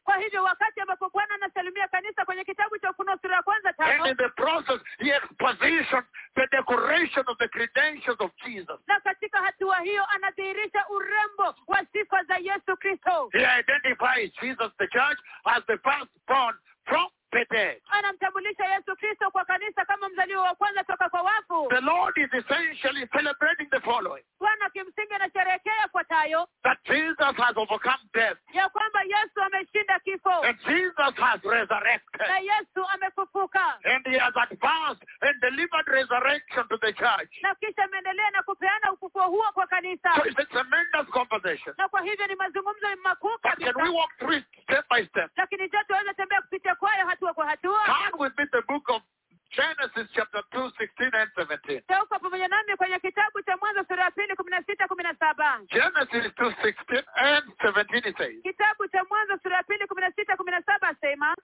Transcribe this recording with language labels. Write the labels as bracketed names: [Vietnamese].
[Swahili] Kwa hivyo wakati ambapo Bwana anasalimia kanisa kwenye kitabu cha Ufunuo sura ya kwanza tano. [English] And in the process he exposition the decoration of the credentials of Jesus. [Swahili] Na katika hatua hiyo anadhihirisha urembo wa sifa za Yesu Kristo. [English] He identifies Jesus the church as the firstborn from the dead. [Swahili] Anamtambulisha Yesu Kristo kwa kanisa kama mzaliwa wa kwanza toka kwa wafu. [English] The Lord is essentially celebrating the following. [Swahili] Bwana kimsingi anasherehekea ifuatayo. [English] That Jesus has overcome death. [Swahili] Ya kwamba Yesu ameshinda kifo. [English] That Jesus has resurrected. [Swahili] Na Yesu amefufuka. [English] And he has advanced and delivered resurrection to the church. [Swahili] Na kisha ameendelea na kupeana ufufuo huo kwa kanisa. [English] So it's a tremendous conversation. [Swahili] Na kwa hivyo ni mazungumzo makuu kabisa. [English] But can we walk through it step by step? [Swahili] Lakini je, tuweza tembea kupitia kwa hatua kwa hatua? [English] Turn with me the book of Genesis chapter 2, 16 and 17. [Swahili] Tuko pamoja nami kwenye kitabu cha Mwanzo sura ya 2, 16, 17. [English] Genesis 2, 16 and 17 it says. [Swahili] Kitabu cha Mwanzo sura ya 2, 16, 17 sema.